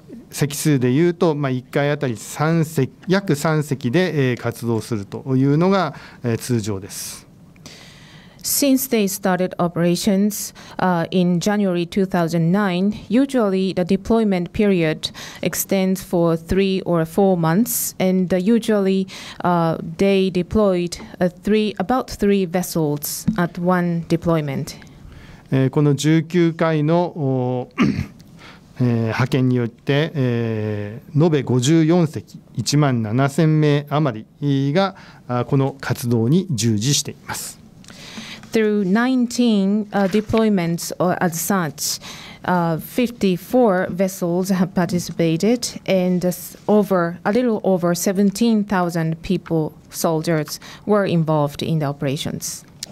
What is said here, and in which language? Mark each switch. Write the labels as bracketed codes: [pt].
[ja] 席数でいうと、1回あたり3席、約3席で活動するというのが通常です。 [en] Since they started operations in January 2009, usually the deployment period extends for 3 or 4 months, and usually they deployed about three vessels at one deployment. [ja] この19回の派遣によって、延べ54隻、1万7000名余りがこの活動に従事しています。 [en] Through 19 deployments as such, 54 vessels have participated, and a little over 17,000 people, soldiers, were involved in the operations.